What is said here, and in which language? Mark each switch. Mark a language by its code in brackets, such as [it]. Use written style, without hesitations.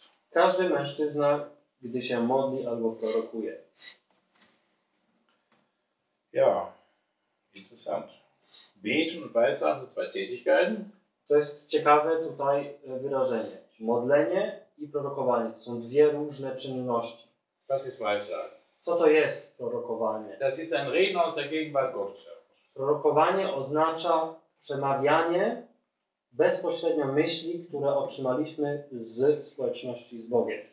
[pl] Każdy mężczyzna, gdy się modli albo prorokuje. [de] Ja, interesant. Beten und Weissagen [pl] to [de] zwei Tätigkeiten. [pl] To jest ciekawe tutaj wyrażenie. Modlenie i prorokowanie. To są dwie różne czynności. Co to jest prorokowanie? [de] Das ist ein Reden aus der Gegenwart Gottes. [pl] Prorokowanie oznacza przemawianie bezpośrednio myśli, które otrzymaliśmy z społeczności z Bogiem.